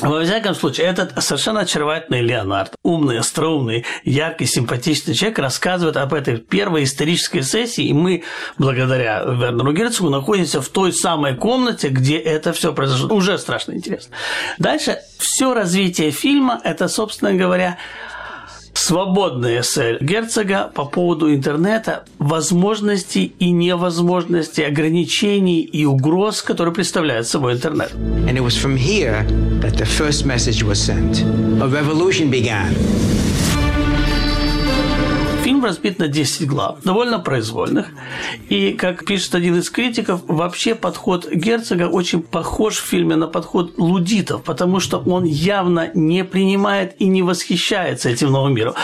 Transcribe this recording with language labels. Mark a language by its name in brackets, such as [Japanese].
[Russian] Во всяком случае, этот совершенно очаровательный Леонард, умный, остроумный, яркий, симпатичный человек, рассказывает об этой первой исторической сессии. И мы, благодаря Вернеру Херцогу, находимся в той самой комнате, где это все произошло. Уже страшно интересно. Дальше все развитие фильма – это, собственно говоря, свободное эссе Херцога по поводу интернета, возможностей и невозможностей, ограничений и угроз, которые представляет собой интернет. [English] And it was from here that the first message was sent. A revolution began. [Russian] Фильм разбит на 10 глав, довольно произвольных. И, как пишет один из критиков, вообще подход Херцога очень похож в фильме на подход лудитов, потому что он явно не принимает и не восхищается этим новым миром.